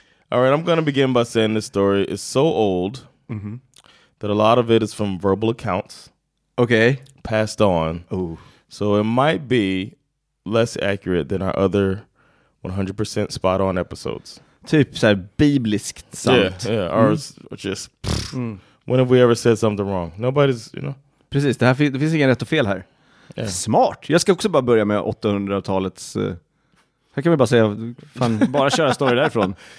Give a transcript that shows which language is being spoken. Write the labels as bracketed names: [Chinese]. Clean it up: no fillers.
[English] All right. I'm going to begin by saying this story is so old that a lot of it is from verbal accounts. Okay. Passed on. Ooh. So it might be less accurate than our other 100% spot on episodes. [Swedish] Typ så här bibliskt sant. [English] Yeah. Ours just when have we ever said something wrong? Nobody's, you know. [Swedish] Precis, det finns ingen rätt och fel här. [English] Yeah. Smart. [Swedish] Jag ska också bara börja med 800-talets. Här kan vi bara säga fan, bara köra story därifrån.